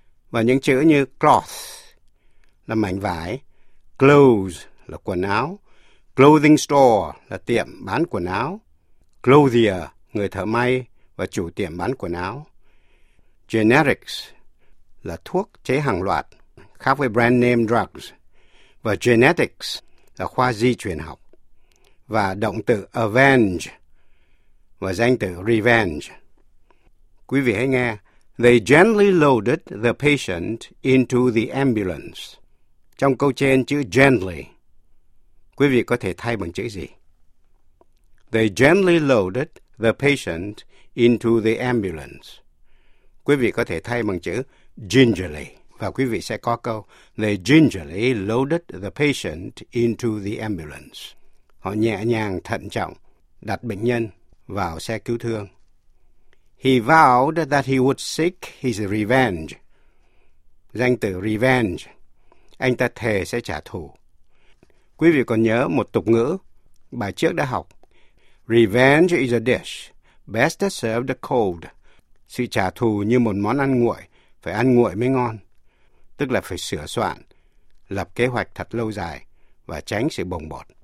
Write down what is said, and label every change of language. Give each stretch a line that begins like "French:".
Vietnamese: Và những chữ như cloth, là mảnh vải, clothes, là quần áo, clothing store, là tiệm bán quần áo, clothier, người thợ may và chủ tiệm bán quần áo, generics, là thuốc chế hàng loạt, khác với brand name drugs, và genetics, là khoa di truyền học, và động từ avenge, và danh từ revenge. Quý vị hãy nghe.
English: They gently loaded the patient into the ambulance.
Vietnamese: Trong câu trên chữ gently, quý vị có thể thay bằng chữ gì?
English: They gently loaded the patient into the ambulance.
Vietnamese: Quý vị có thể thay bằng chữ gingerly. Và quý vị sẽ có câu.
English: They gingerly loaded the patient into the ambulance.
Vietnamese: Họ nhẹ nhàng, thận trọng đặt bệnh nhân vào xe cứu thương.
English: He vowed that he would seek his revenge.
Vietnamese: Danh từ revenge. Anh ta thề sẽ trả thù. Quý vị còn nhớ một tục ngữ bài trước đã học.
English: Revenge is a dish best served cold.
Vietnamese: Sự trả thù như một món ăn nguội, phải ăn nguội mới ngon. Tức là phải sửa soạn, lập kế hoạch thật lâu dài và tránh sự bồng bột.